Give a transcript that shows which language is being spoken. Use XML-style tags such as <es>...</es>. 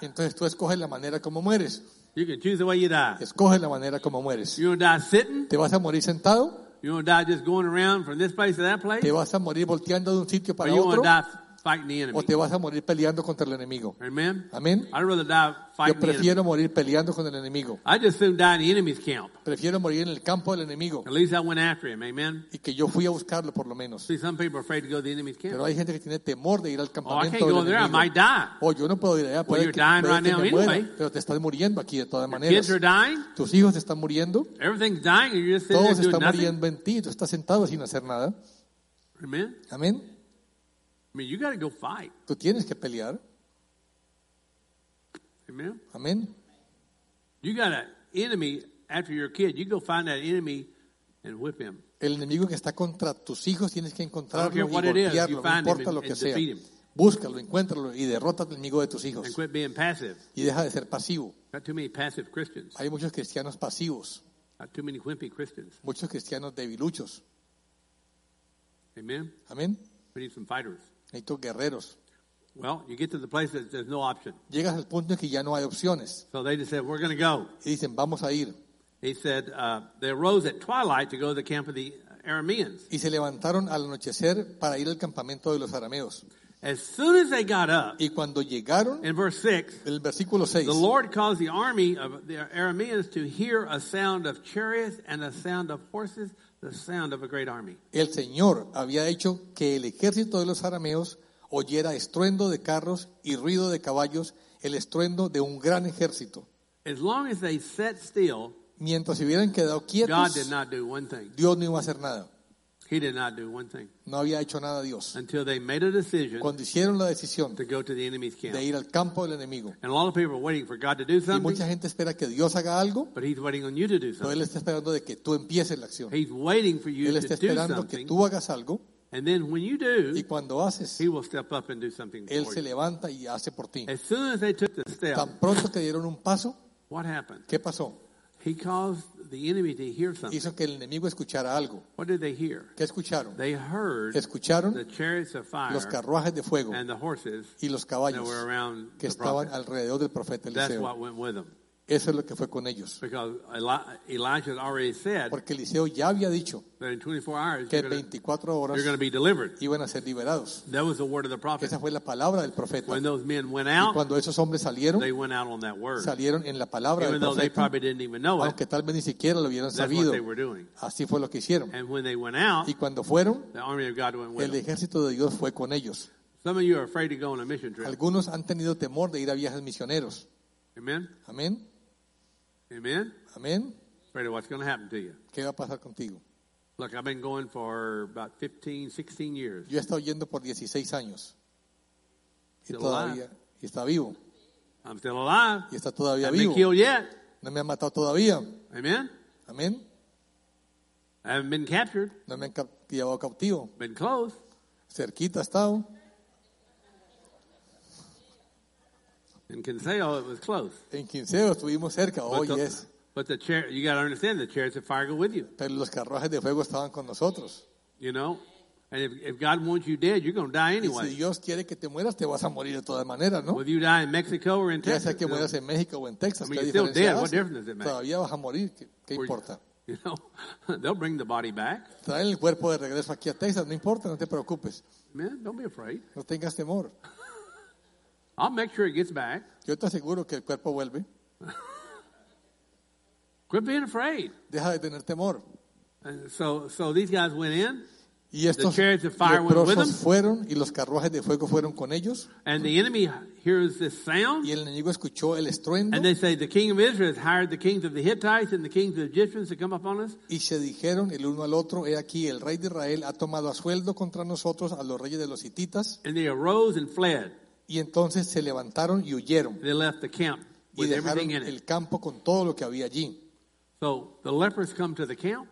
<es>Entonces tú escoges la manera como mueres.</es> <en>You can choose the way you die.</en> <es>Escoge la manera como mueres.</es> <en>You gonna die sitting?</en> <es>Te vas a morir sentado.</es> <en>You want to die just going around from this place to that place?</en> <es>¿Te vas a morir volteando de un sitio para otro?</es> <en>Or you want to die fighting the enemy?</en> <es>¿O te vas a morir peleando contra el enemigo?</es> <en>Amen.</en> <es>Amen.</es> <en>I'd rather die fighting the enemy.</en> <es>Yo prefiero morir peleando contra el enemigo.</es> <en>I just soon die in the enemy's camp.</en> <es>Prefiero morir en el campo del enemigo.</es> <en>At least I went after him. Amen.</en> <es>Y que yo fui a buscarlo por lo menos.</es> <en>See, some people are afraid to go to the enemy's camp.</en> <es>Pero hay gente que tiene temor de ir al campamento</es> <en>oh, I can't</en> <es>del</es> <en>go</en> <es>enemigo.</es> <en>There. I might die.</en> <es>Oh, yo no puedo ir allá.</es> <en>Well, you're dying right now anyway.</en> <es>Pero te estás muriendo aquí de todas maneras.</es> <en>Your kids are dying.</en> <es>Tus hijos están muriendo.</es> <en>Everything's dying and you're just sitting there doing nothing.</en> <es>Todos están muriendo en ti. Tú estás sentado sin hacer nada.</es> <en>Amen.</en> <es>Amen.</es> <en>I mean, you got to go fight.</en> <es>Tú tienes que pelear.</es> <en>Amen.</en> <es>Amen.</es> <en>You got an enemy after your kid. You go find that enemy and whip him.</en> <es>El enemigo que está contra tus hijos tienes que encontrarlo y golpearlo. No importa lo que sea.</es> <en>Him.</en> <es>Búscalo, encuéntralo y derrota al enemigo de tus hijos.</es> <en>And quit being passive.</en> <es>Y deja de ser pasivo.</es> <en>Not too many passive Christians.</en> <es>Hay muchos cristianos pasivos.</es> <en>Not too many wimpy Christians.</en> <es>Muchos cristianos debiluchos.</es> <en>Amen.</en> <es>Amen.</es> <en>We need some fighters.</en> <es>Necesito guerreros.</es> <en>Well, you get to the place that there's no option.</en> <es>Llegas al punto en que ya no hay opciones.</es> <en>So they just said, we're going to go.</en> <es>Y dicen, vamos a ir.</es> <en>He said, they arose at twilight to go to the camp of the Arameans.</en> <es>Y se levantaron al anochecer para ir al campamento de los arameos.</es> <en>As soon as they got up,</en> <es>y cuando llegaron,</es> <en>in verse 6,</en> <es>el versículo 6,</es> <en>the Lord caused the army of the Arameans to hear a sound of chariots and a sound of horses. The sound of a great army.</en> <es>El Señor había hecho que el ejército de los arameos oyera estruendo de carros y ruido de caballos, el estruendo de un gran ejército.</es> <en>As long as they sat still,</en> <es>mientras se hubieran quedado quietos,</es> <en>God did not do one thing.</en> <es>Dios no iba a hacer nada.</es> <en>He did not do one thing.</en> <es>No había hecho nada Dios.</es> <en>Until they made a decision,</en> <es>cuando hicieron la decisión</es> <en>to go to the enemy's camp.</en> <es>De ir al campo del enemigo.</es> <en>And a lot of people are waiting for God to do something.</en> <es>Y mucha gente espera que Dios haga algo,</es> <en>but he's waiting on you to do something.</en> <es>Pero él está esperando de que tú empieces la acción.</es> <en>He's waiting for you</en> <es>él está</es> <en>to</en> <es>esperando</es> <en>do something,</en> <es>que tú hagas algo,</es> <en>and then when you do,</en> <es>y cuando haces,</es> <en>he will step up and do something for you.</en> <es>Él se levanta y hace por ti.</es> <en>As soon as they took the step,</en> <es>tan pronto que dieron un paso,</es> <en>what happened?</en> <es>¿Qué pasó?</es> <en>He caused the enemy to hear something.</en> <es>Hizo que el enemigo escuchara algo.</es> <en>What did they hear?</en> <es>¿Qué escucharon?</es> <en>They heard</en> <es>escucharon</es> <en>the chariots of fire,</en> <es>los carruajes de fuego,</es> <en>and the horses,</en> <es>y los caballos</es> <en>that were around</en> <es>que</es> <en>the prophet.</en> <es>Estaban alrededor del profeta Eliseo.</es> <en>That's what went with them.</en> <es>Eso es lo que fue con ellos.</es> <en>Because Elijah had already said,</en> <es>porque Eliseo ya había dicho</es> <en>that in 24 hours,</en> <es>que en 24 horas</es> <en>you're going to be delivered.</en> <es>Iban a ser liberados.</es> <en>That was the word of the prophet.</en> <es>Esa fue la palabra del profeta.</es> <en>When those men went out,</en> <es>y cuando esos hombres salieron,</es> <en>they went out on that word.</en> <es>Salieron en la palabra</es> <en>even</en> <es>del profeta,</es> <en>though they probably didn't even know it,</en> <es>aunque tal vez ni siquiera lo hubieran</es> <en>that's</en> <es>sabido.</es> <en>What they were doing.</en> <es>Así fue lo que hicieron.</es> <en>And when they went out,</en> <es>y cuando fueron,</es> <en>the army of God went with</en> <es>el ejército de Dios fue con ellos.</es> <en>Some of you are afraid to go on a mission trip.</en> <es>Algunos han tenido temor de ir a viajes misioneros.</es> <en>Amen.</en> <es>Amen.</es> <en>Amen.</en> <es>Amen.</es> <en>Afraid of what's going to happen to you.</en> <es>¿Qué va a pasar contigo?</es> <en>Look, I've been going for about 15, 16 years.</en> <es>Yo he estado yendo por 16 años. Y todavía</es> <en>alive.</en> <es>Y está vivo.</es> <en>I'm still alive.</en> <es>Y está todavía</es> <en>haven't</en> <es>vivo.</es> <en>Been killed yet.</en> <es>No me han matado todavía.</es> <en>Amen.</en> <es>Amen.</es> <en>I haven't been captured.</en> <es>No me han llevado cautivo.</es> <en>Been close.</en> <es>Cerquita he estado.</es> <en>In Quinceo, it was close.</en> <es>En Quinceo estuvimos cerca.</es> <en>Oh, but the, yes. But the chair, you got to understand, the chariots of fire go with you.</en> <es>Pero los carruajes de fuego estaban con nosotros.</es> <en>You know? And if God wants you dead, you're going to die anyway.</en> <es>Y si Dios quiere que te mueras, te vas a morir de todas maneras, ¿no?</es> <en>Whether you die in Mexico or in Texas.</en> <es>Ya sea que mueras en México o en Texas.</es> <en>I mean, you're still dead. What difference does it make?</en> <es>Todavía vas a morir. ¿Qué importa?</es> <en>You know, they'll bring the body back.</en> <es>Traen el cuerpo de regreso aquí a Texas. No importa, no te preocupes.</es> <en>Man, don't be afraid.</en> <es>No tengas temor.</es> <en>I'll make sure it gets back.</en> <es>Yo te aseguro que el cuerpo vuelve.</es> <en>Quit being afraid.</en> <es>Deja de tener temor.</es> <en>And so these guys went in.</en> <es>Y estos</es> <en>the chariots of fire went with them.</en> <es>Fueron, y los carruajes de fuego fueron con ellos.</es> <en>And the enemy hears this sound.</en> <es>Y el enemigo escuchó el estruendo.</es> <en>And they say, the king of Israel has hired the kings of the Hittites and the kings of the Egyptians to come upon us.</en> <es>Y se dijeron el uno al otro, he aquí, el rey de Israel ha tomado a sueldo contra nosotros a los reyes de los Hititas.</es> <en>And they arose and fled.</en> <es>Y entonces se levantaron y huyeron.</es> <en>They left the camp</en> <es>y dejaron el campo con todo lo que había allí.</es> <en>So, the lepers come to the camp.</en>